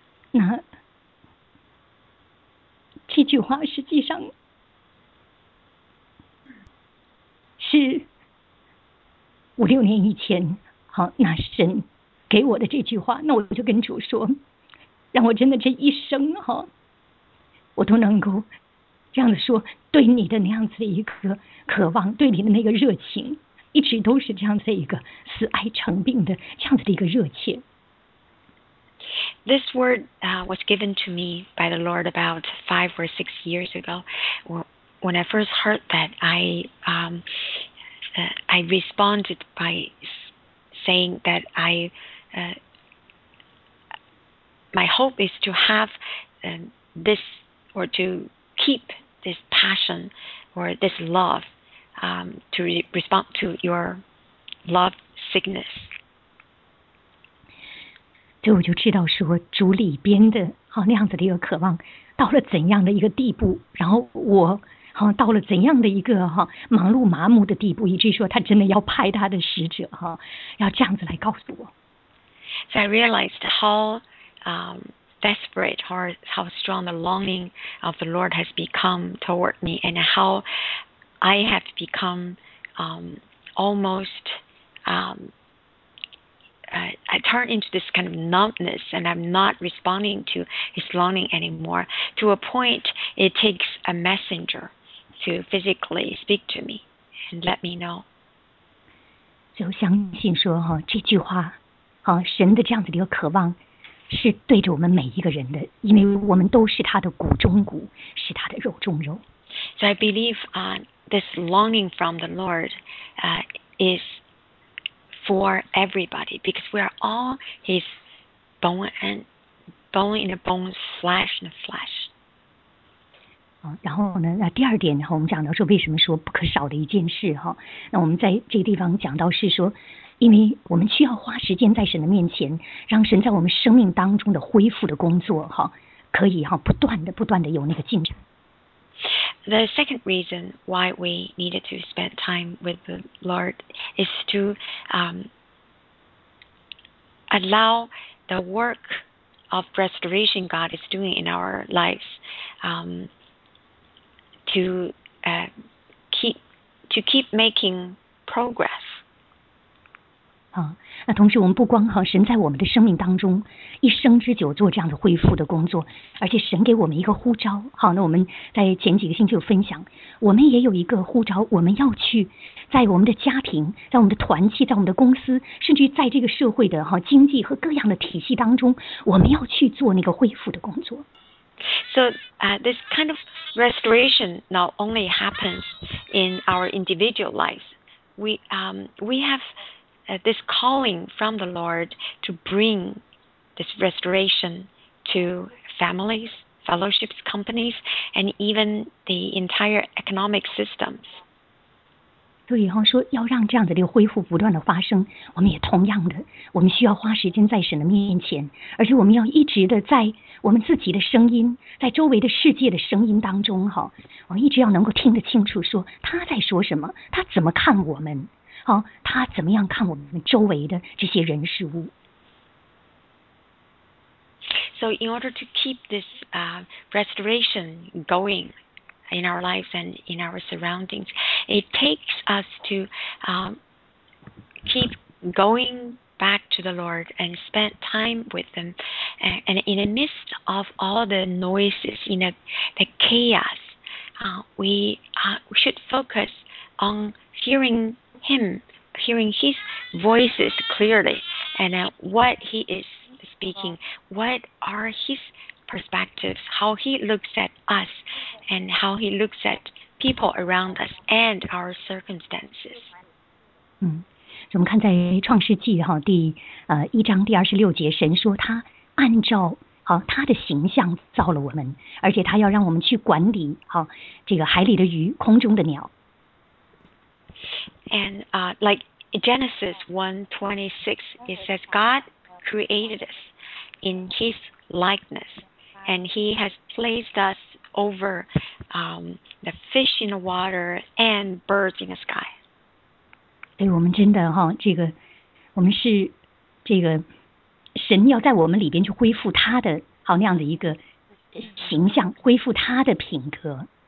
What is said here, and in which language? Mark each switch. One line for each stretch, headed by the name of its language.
Chinese: 那这句话实际上是五六年以前，好，那神给我的这句话，那我就跟主说，让我真的这一生哈，我都能够这样子说，对你的那样子的一个渴望，对你的那个热情，一直都是这样子的一个死爱成病的这样子的一个热切。
English: This word was given to me by the Lord about 5 or 6 years ago. When I first heard that, I responded by saying that my hope is to have this or to keep this passion or this love to respond to your love sickness.
Chinese: 所以我就知道说主里边的好那样子的一个渴望到了怎样的一个地步，然后我好到了怎样的一个哈忙碌麻木的地步，以至于说他真的要派他的使者哈要这样子来告诉我。
English: So I realized how desperate or how strong the longing of the Lord has become toward me, and how I have become almost. I turn into this kind of numbness, and I'm not responding to his longing anymore. To a point, it takes a messenger to physically speak to me and let me know.
Chinese: So, 相信说哈这句话，哈神的这样子的一个渴望，是对着我们每一个人的，因为我们都是他的骨中骨，是他的肉中肉。
English: So I believe this longing from the Lord is. For everybody, because we are all his bone in the bone, flesh in the flesh.
Chinese: 然后呢，那第二点我们讲到说为什么说不可少的一件事哈，那我们在这个地方讲到是说，因为我们需要花时间在神的面前，让神在我们生命当中的恢复的工作哈，可以哈不断的有那个进展。
English: The second reason why we needed to spend time with the Lord is to allow the work of restoration God is doing in our lives to keep making progress.
Chinese: 那同时我们不光神在我们的生命当中一生之久做这样的恢复的工作，而且神给我们一个呼召，好，那我们在前几个星期有分享，我们也有一个呼召，我们要去在我们的家庭，在我们的团契，在我们的公司，甚至在这个社会的经济和各样的体系当中，我们要去做那个恢复的工作。
English: So, this kind of restoration not only happens in our individual lives, we haveThis calling from the Lord to bring this restoration to families, fellowships companies and even the entire economic systems.
Chinese: 对，说要让这样的恢复不断的发生，我们也同样的，我们需要花时间在神的面前，而且我们要一直的在我们自己的声音，在周围的世界的声音当中，我们一直要能够听得清楚，说他在说什么，他怎么看我们，他怎么样看我们周围的这些人事物。
English: So in order to keep this restoration going in our lives and in our surroundings, it takes us to keep going back to the Lord and spend time with Him. And in the midst of all the noises, in the chaos, we should focus on hearing Him, hearing His voices clearly, and what He is speaking, what are His perspectives, how He looks at us, and how He looks at people around us and our circumstances.
Chinese: 我们看在创世纪第一章第26节，神说他按照他的形象造了我们，而且他要让我们去管理这个海里的鱼，空中的鸟。
English: And like Genesis 1:26, it says God created us in His likeness, and He has placed us over the fish in the water and birds in the sky.
Chinese: 对，我们真的我们是神要在我们里边去恢复他的那样的一个形象，恢复他的品格。